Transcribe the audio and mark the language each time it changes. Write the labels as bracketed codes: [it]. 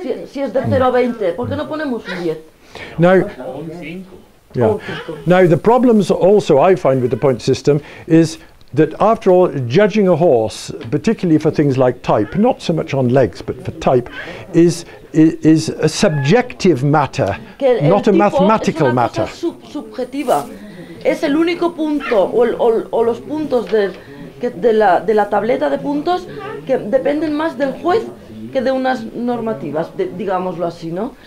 [es] Si es de 0 a 20, ¿por qué no ponemos un 10? [en] No. Yeah. Now, the problems also I find with the point system is... that after all, judging a horse, particularly for things like type, not so much on legs, but for type, is a subjective matter, not a mathematical matter. [es] Subjetiva. Es el único punto, o los puntos de la tableta de puntos, que dependen más del juez que de unas normativas, digámoslo así, ¿no?